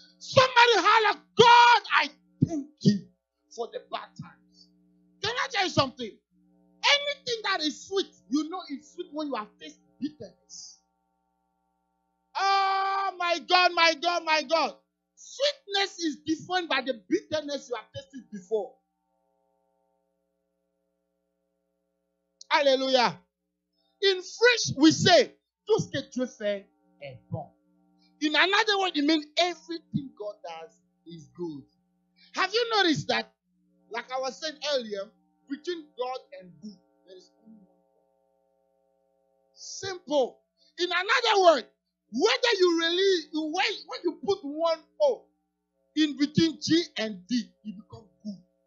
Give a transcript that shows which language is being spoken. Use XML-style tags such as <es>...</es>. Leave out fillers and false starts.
<en>Somebody holler, God, I thank you for the bad times. Can I tell you something? Anything that is sweet, you know it's sweet when you have faced bitterness. Oh, my God, my God, my God. Sweetness is defined by the bitterness you have tasted before. Hallelujah. In French, we say,</en> <fr>tout ce que tu fais est bon.</fr> <en>In another word, it means everything God does is good. Have you noticed that, like I was saying earlier, between God and you, there is only one God. Simple. In another word, whether you really, when you put one O in between G and D, you become good.</en>